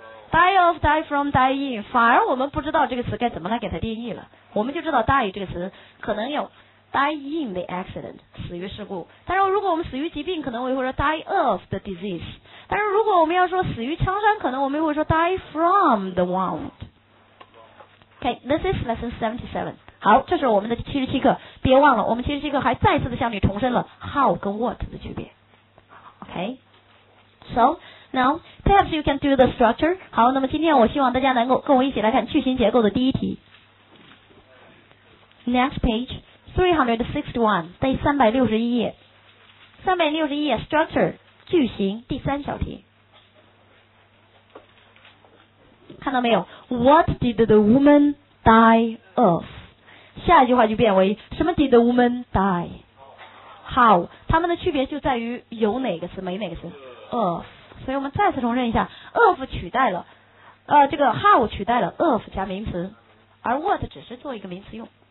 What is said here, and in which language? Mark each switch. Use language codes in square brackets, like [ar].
[zh] die of， die from， die in， 反而我们不知道这个词该怎么来给它定义了，我们就知道 die 这个词可能有 [en] die in the accident， [zh] 死于事故，但是如果我们死于疾病可能我也会说 [en] die of the disease， [zh] 但是如果我们要说死于枪伤可能我们也会说 [en] die from the wound。 Okay, this is lesson 77. [zh] 好，这是我们的77课，别忘了我们77课还再次的向你重申了 how 跟 what 的区别。 OK, so [en] Now, perhaps you can do the structure. [zh] 好，那么今天我希望大家能够跟我一起来看句型结构的第一题。 Next page, 361, 第361页。361页 structure, 句型第三小题。看到没有 [en] ?What did the woman die of? [zh] 下一句话就变为什么 did the woman die? [en] How? [zh] 它们的区别就在于有哪个词没哪个词 ?of. 所以我们再次重申一下 ,of 取代了这个 how 取代了 of 加名词而 what 只是做一个名词用。